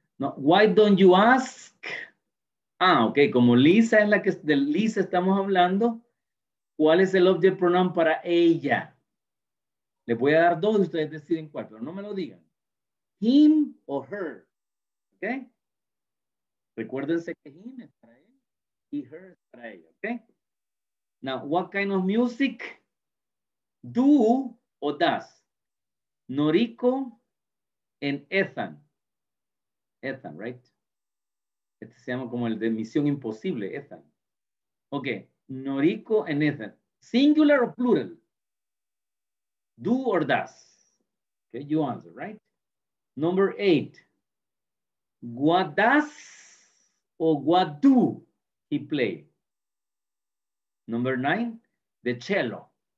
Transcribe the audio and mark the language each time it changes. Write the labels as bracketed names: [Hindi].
[English] No, why don't you ask? [Spanish] Ah, ok, como Lisa es la que de Lisa estamos hablando, ¿cuál es el object pronoun para ella? Les voy a dar dos y ustedes deciden cuál, pero no me lo digan. Him o her. ¿Ok? Recuérdense que him es para él y her es para ella. ¿Ok? [English] Now, what kind of music do o does Noriko and Ethan? Ethan, right? [Spanish] Este se llama como el de Misión Imposible, Ethan. [English] Ok, Noriko and Ethan. Singular o plural? Do or does? Okay, you answer, right? Number eight. What does or what do he play? Number nine. The cello.